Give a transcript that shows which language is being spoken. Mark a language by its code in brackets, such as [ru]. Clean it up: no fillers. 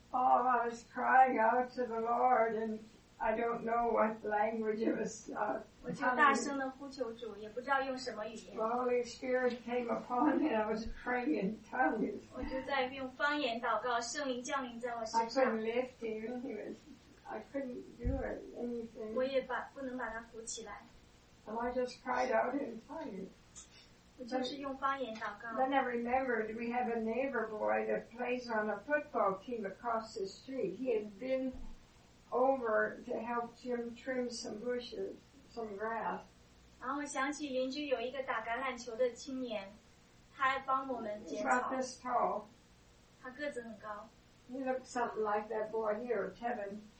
[en] oh, I was crying out to the Lord, and I don't know what language it was. [zh] 我就大声地呼求主, 也不知道用什么语言。 [en] The Holy Spirit came upon me, and I was praying in tongues. [zh] 我就在用方言祷告, 圣灵降临在我身上。 [en] I couldn't lift him, I couldn't do anything. [zh] 我也不能把他扶起来。 [en] And I just cried out in tongues. [zh] 我就是用方言祷告。 [en] Then I remembered we have a neighbor boy that plays on a football team across the street. He had been over to help Jim trim some bushes, some grass. [zh] 然后我想起邻居有一个打橄榄球的青年, 他帮我们剪草。 [en] He's about this tall. [zh] 他个子很高。 [en] He looked something like that boy here, Kevin.